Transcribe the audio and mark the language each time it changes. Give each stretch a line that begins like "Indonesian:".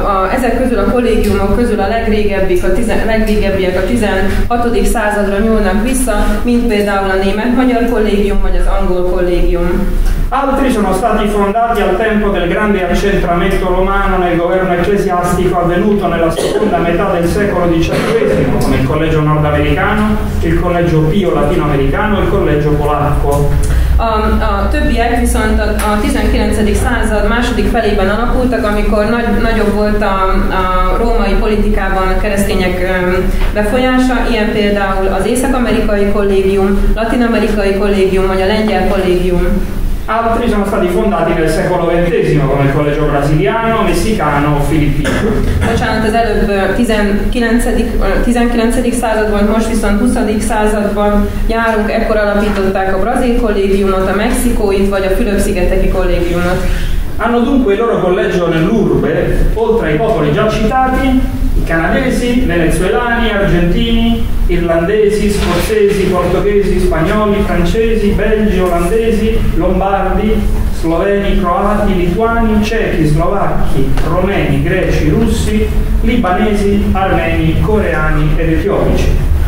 Hungarian: Ezek közül a kollégiumok közül a legrégebbiek a 16. századra nyúlnak vissza, mint például a német-magyar kollégium vagy az angol kollégium.
Italian: Altri sono stati fondati al tempo del grande accentramento romano nel governo ecclesiastico avvenuto nella seconda metà del secolo XIX, come il collegio nordamericano, il collegio pio latinoamericano e il collegio polacco.
Hungarian: A többiek viszont a 19. század második felében alakultak, amikor nagyobb volt a római politikában a keresztények befolyása, ilyen például az Észak-Amerikai Kollégium, Latin-Amerikai Kollégium vagy a Lengyel Kollégium.
Italian: Altri sono stati fondati nel secolo XX, come il collegio brasiliano, messicano o filippino.
Hungarian: Bocsánat, az előbb 19. században, most viszont 20. században járunk, ekkor alapították a brazil kollégiumot, a mexikóit vagy a Fülöp-szigeteki kollégiumot.
Italian: Hanno dunque il loro collegio nell'urbe, oltre ai popoli già citati, i canadesi, venezuelani, argentini, irlandesi, scozzesi, portoghesi, spagnoli, francesi, belgi, olandesi, lombardi, sloveni, croati, lituani, cechi, slovacchi, romeni, greci, russi, libanesi, armeni, coreani ed etiopici.